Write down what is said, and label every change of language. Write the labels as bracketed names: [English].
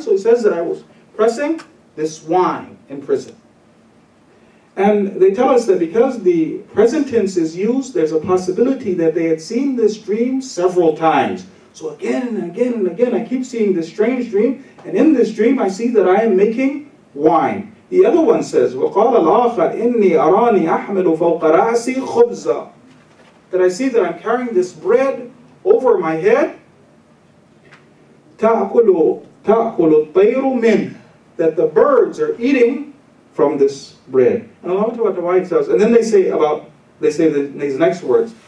[English] So he says that I was pressing this wine in prison. And they tell us that because the present tense is used, there's a possibility that they had seen this dream several times. So again and again and again, I keep seeing this strange dream. And in this dream, I see that I am making wine. The other one says, [Arabic] وَقَالَ الْآخَرْ إِنِّي أَرَانِي أَحْمِلُ فَوْقَ رَأْسِي خُبْزًا. [English] That I see that I'm carrying this bread over my head. [Arabic] تَأْكُلُ الطَّيْرُ مِنْ. [English] That the birds are eating from this bread. And Allah Ta'ala provides us. And then they say these next words.